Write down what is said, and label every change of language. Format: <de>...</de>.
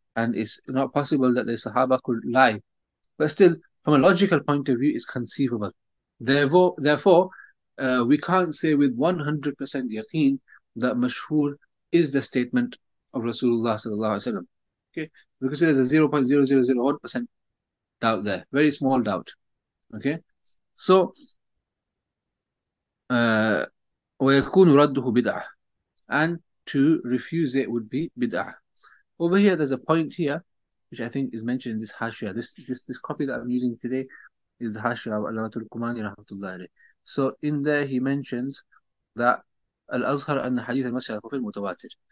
<en>And it's not possible that the Sahaba could lie. But still, from a logical point of view, it's conceivable. Therefore, we can't say with 100% yaqeen that mashhur is the statement of Rasulullah sallallahu alaihi wasallam. Okay? Because there's a 0.0001% doubt there. Very small doubt. Okay?</en> <ar>So, وَيَكُونُ رَدُّهُ بِدْعَةً.</ar> <en>And to refuse it would be bid'ah. Over here, there's a point here, which I think is mentioned in this hashia. This copy that I'm using today is the hashia of Allamatul Kumani rahmatullahi alayhi. So in there, he mentions that Al-Azhar and the Hadith al-Masih al-Khufayn mutawatir.</en>